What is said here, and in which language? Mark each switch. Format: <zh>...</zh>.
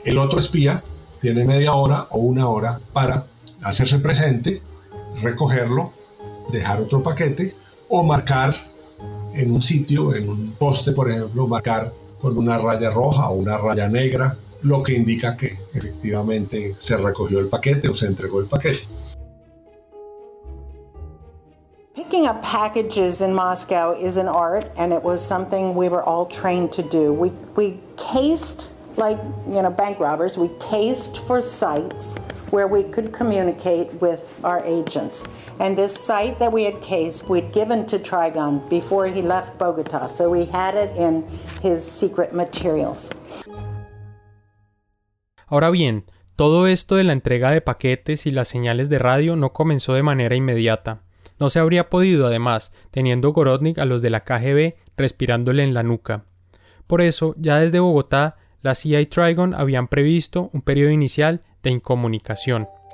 <es>el otro espía tiene media hora o una hora para hacerse presente, recogerlo, dejar otro paquete o marcar en un sitio, en un poste, por ejemplo, marcar con una raya roja o una raya negra lo que indica que efectivamente se recogió el paquete o se entregó el paquete.</es> <en>Picking up packages in Moscow is an art, and it was something we were all trained to do. We cased, like, you know, bank robbers, we cased for sites where we could communicate with our agents. And this site that we had cased, we'd given to Trigon before he left Bogota, so we had it in his secret materials.</en> <es>Ahora bien, todo esto de la entrega de paquetes y las señales de radio no comenzó de manera inmediata. No se habría podido, además, teniendo Gorodnik a los de la KGB respirándole en la nuca. Por eso, ya desde Bogotá, la CIA y Trigon habían previsto un periodo inicial de incomunicación.</es>